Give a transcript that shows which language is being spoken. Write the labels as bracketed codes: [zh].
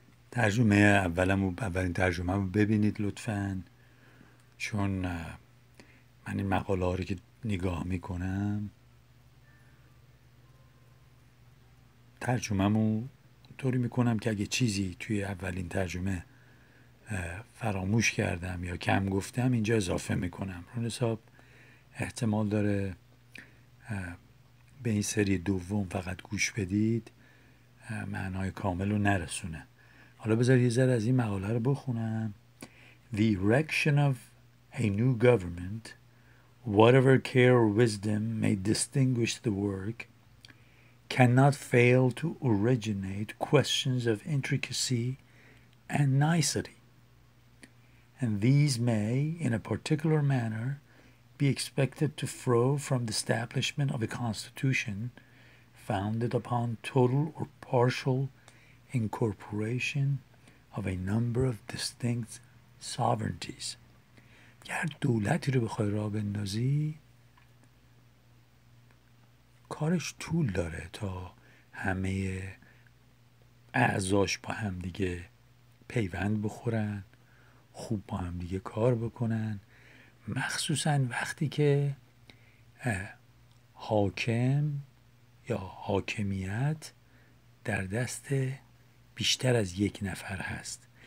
[fa] ترجمه اولین ترجمه رو ببینید لطفاً، چون من این مقاله ها رو که نگاه میکنم ترجمه رو طوری میکنم که اگه چیزی توی اولین ترجمه فراموش کردم یا کم گفتم اینجا اضافه میکنم. رو حساب احتمال داره به این سری دوم فقط گوش بدید معنای کامل رو نرسونه. حالا بذار یه ذره از این مقاله رو بخونم. [en] The erection of a new government, whatever care or wisdom may distinguish the work, cannot fail to originate questions of intricacy and nicety. And these may, in a particular manner, be expected to flow from the establishment of a constitution founded upon total or partial incorporation of a number of distinct sovereignties. [fa] اگر دولتی رو بخوای راه بندازی کارش طول داره تا همه اعضاش با هم دیگه پیوند بخورن، خوب با هم دیگه کار بکنن، مخصوصا وقتی که حاکم یا حاکمیت در دست بیشتر از یک نفر هست.